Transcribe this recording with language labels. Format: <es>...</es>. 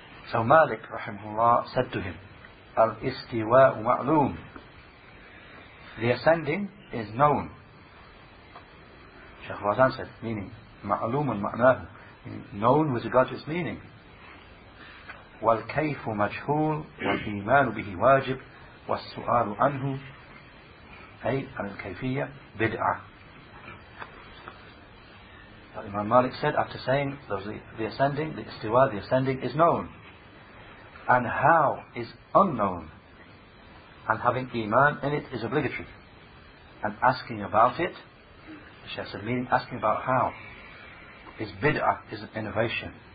<en>So Malik, rahimahullah, said to him, al-istiwa'u ma'loom. The ascending is known. Sheikh Razan said, meaning, ma'loomun ma'nahu. Known with regard to its meaning.</en> <ar>وَالْكَيْفُ مَجْهُولُ وَالْإِيمَانُ بِهِ وَاجِبُ وَالسُّؤَالُ عَنْهُ أي عن الكيفية بدعة.</ar> <en>But Imam Malik said, after saying the ascending, the istiwa, the ascending is known, and how is unknown, and having iman in it is obligatory, and asking about it, she has a meaning, asking about how, is bid'a, is an innovation.</en>